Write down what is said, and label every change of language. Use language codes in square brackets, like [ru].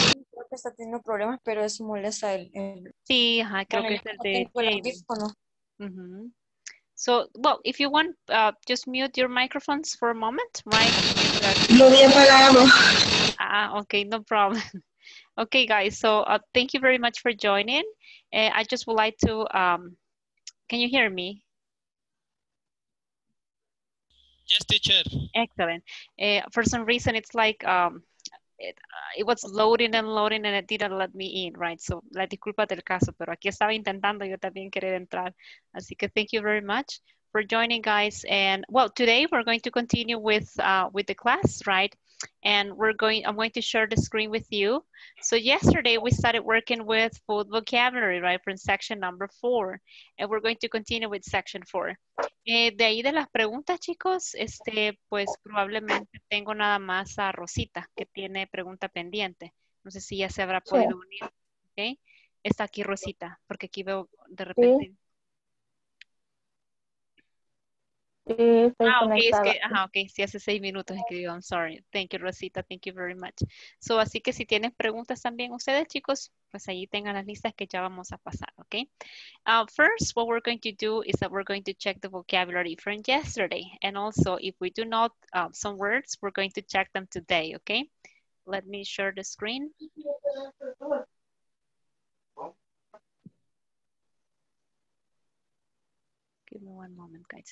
[es] Creo que está teniendo problemas, pero es molesta el. Sí, ajá, creo que es el de. El audífono. [en] So, well, if you want, just mute your microphones for a moment, right? [es] Lo había apagado. [en] Ah, okay, no problem. Okay, guys, so thank you very much for joining. I just would like to, can you hear me? Yes, teacher. Excellent. For some reason, it's like it was loading and it didn't let me in, right? [es] So, la disculpa del caso, pero aquí estaba intentando yo también querer entrar. Así que [en] thank you very much for joining, guys. And well, today we're going to continue with the class, right? And I'm going to share the screen with you. So yesterday we started working with food vocabulary, right? From section number 4. And we're going to continue with section 4. [es] De ahí de las preguntas, chicos, pues probablemente tengo nada más a Rosita, que tiene pregunta pendiente. No sé si ya se habrá podido unir. Okay. Está aquí Rosita, porque aquí veo de repente. Sí, estoy conectada. Ah, okay, sí, hace 6 minutos escribió. [en] I'm sorry. Thank you, Rosita. Thank you very much. [es] So, así que si tienen preguntas también ustedes, chicos, pues ahí tengan las listas que ya vamos a pasar, okay? [en] First, what we're going to do is that we're going to check the vocabulary from yesterday. And also, if we do not some words, we're going to check them today, okay? Let me share the screen. Give me one moment, guys.